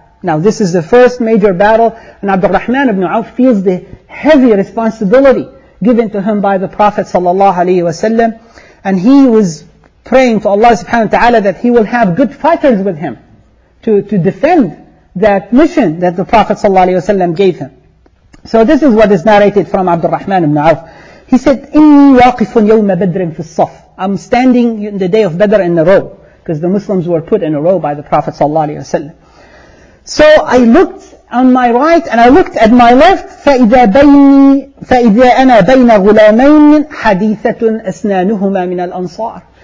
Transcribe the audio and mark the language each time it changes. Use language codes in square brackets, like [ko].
[en] Now this is the first major battle, and Abdul Rahman ibn Auf feels the heavy responsibility given to him by the Prophet sallallahu alayhi wa sallam, and he was praying to Allah subhanahu wa ta'ala that he will have good fighters with him to defend that mission that the Prophet sallallahu alayhi wa sallam gave him. So this is what is narrated from Abdul Rahman ibn Auf. He said, [ar] إِنِّي وَاقِفٌ يَوْمَ بَدْرٍ فِي الصَّفِ. [en] I'm standing in the day of Badr in a row, because the Muslims were put in a row by the Prophet sallallahu alayhi wa sallam. So I looked on my right and I looked at my left. [ar] فَإِذَا أَنَا بَيْنَ غُلَامَيْنٍ حَدِيثَةٌ أَسْنَانُهُمَا مِنَ الْأَنصَارِ.